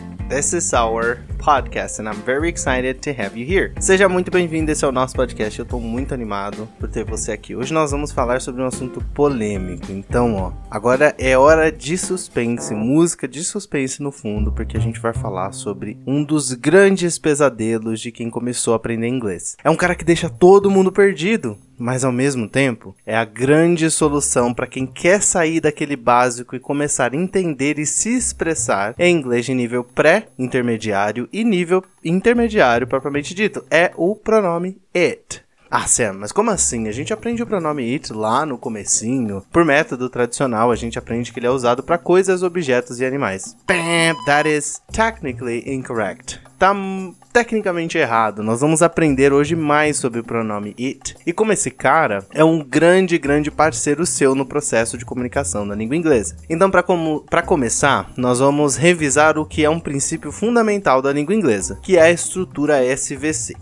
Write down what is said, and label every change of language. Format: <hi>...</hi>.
<en>This is our podcast, and I'm very excited to have you here.</en> <pt>Seja muito bem-vindo, esse é o nosso podcast. Eu tô muito animado por ter você aqui. Hoje nós vamos falar sobre um assunto polêmico. Então, ó, agora é hora de suspense, música de suspense no fundo, porque a gente vai falar sobre um dos grandes pesadelos de quem começou a aprender inglês. É um cara que deixa todo mundo perdido, mas ao mesmo tempo é a grande solução para quem quer sair daquele básico e começar a entender e se expressar em inglês de nível pré-intermediário e nível intermediário, propriamente dito, é o pronome it. Ah, Sam, mas como assim? A gente aprende o pronome it lá no comecinho. Por método tradicional, a gente aprende que ele é usado para coisas, objetos e animais. Bam!</pt> <en>That is technically incorrect.</en> <pt>Tá tecnicamente errado. Nós vamos aprender hoje mais sobre o pronome it. E como esse cara é um grande, grande parceiro seu no processo de comunicação da língua inglesa. Então, pra começar, nós vamos revisar o que é um princípio fundamental da língua inglesa, que é a estrutura SVC.</pt>